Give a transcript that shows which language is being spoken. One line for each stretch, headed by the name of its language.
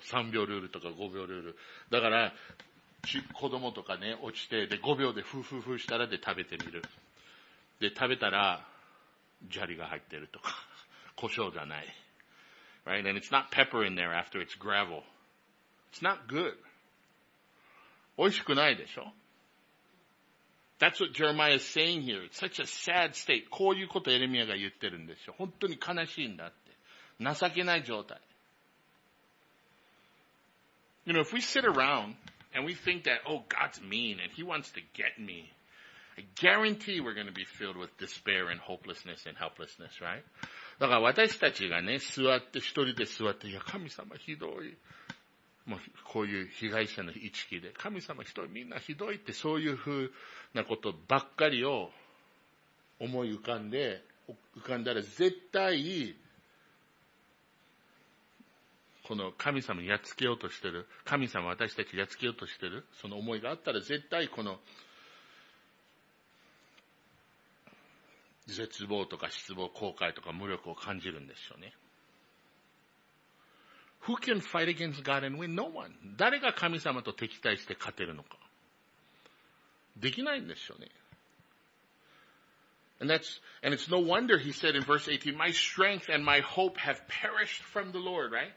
Japanese: 3秒ルールとか5秒ルール。だから、子供とかね、落ちて、で、5秒でフーフーフーしたらで食べてみる。で、食べたら、砂利が入ってるとか、胡椒じゃない。
English: Right? And it's not pepper in there after it's gravel. It's not good.
Japanese: 美味しくないでしょ?
English: That's what Jeremiah is saying here. It's such a sad state.
Japanese: こういうことエレミアが言ってるんですよ。本当に悲しいんだって。情けない状態。
English: You know, if we sit around and we think that, oh, God's mean and he wants to get me, I guarantee we're going to be filled with despair and hopelessness and helplessness, right?
Japanese: だから私たちがね、座って、一人で座って、いや、神様ひどい。もうこういう被害者の意識で、神様ひどい、みんなひどいって、そういうふうなことばっかりを思い浮かんだら絶対、この神様をやっつけようとしてる。神様私たちやっつけようとしてる。その思いがあったら絶対この絶望とか失望、後悔とか無力を感じるんでしょうね。
English: Who can fight against God and win? No one.
Japanese: 誰が神様と敵対して勝てるのか。できないんでしょうね。
English: And it's no wonder he said in verse 18, my strength and my hope have perished from the Lord, right?